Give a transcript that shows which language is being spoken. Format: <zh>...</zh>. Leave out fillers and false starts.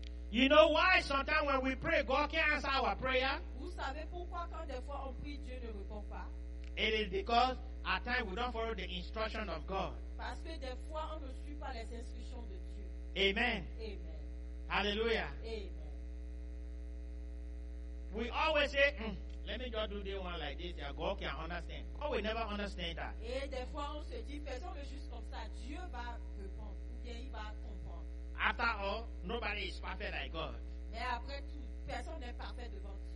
<en>You know why sometimes when we pray, God can't answer our prayer?</en> <fr>Vous savez pourquoi quand des fois on prie, Dieu ne répond pas?</fr> <en>It is because at times we don't follow the instruction of God.</en> <fr>Parce que des fois on ne suit pas les instructions de Dieu. Amen. Amen. Hallelujah. Amen.</fr> <en>We always say, let me just do this one like this, that God can understand. God will never understand that.</en> <fr>Et des fois on se dit, faisons-le juste comme ça, Dieu va répondre, ou bien il va comprendre.</fr> <en>After all, nobody is perfect like God.</en> <fr>Mais après tout, personne n'est parfait devant Dieu.</fr>